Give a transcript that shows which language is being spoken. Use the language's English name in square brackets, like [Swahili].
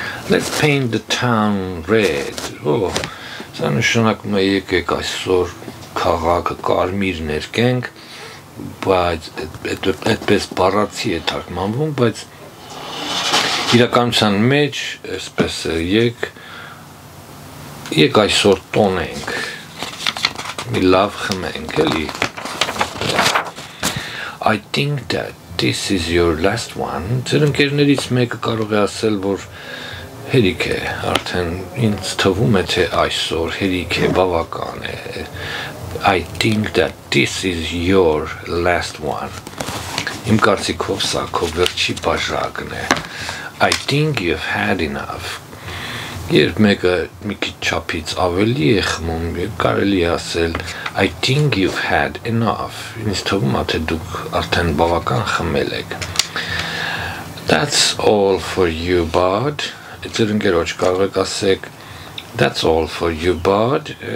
[English] Let's paint the town red. [Armenian] Ու սա նշանակում է, եկեք այսօր քաղաքը կարմիր ներկենք, բայց այդպես բառացի է թարգմանվում, բայց իրականության մեջ այսպես է, եկ այսօր տոնենք, մի լավ խմենք, էլի։ [English] I think that this is your last one. [Armenian] Ձեր ընկերներից մեկը կարող է ասել, որ հերիք է, արդեն ինձ թվում է, թե այսօր հերիք է, բավական է. [English] I think that this is your last one. [Armenian] Իմ կարծիքով սա քո վերջի բաժակն է. [English] I think you've had enough. [Armenian] Երբ մեկը մի քիչ չափից ավելի է խմում, կարելի է ասել, [English] I think you've had enough. [Armenian] Ինձ թվում է, թե դուք արդեն բավական խմել եք. [English] That's all for you, bud. [Armenian] Ձեր ընկերոջ, կարող եք ասեք, [English] that's all for you, bud.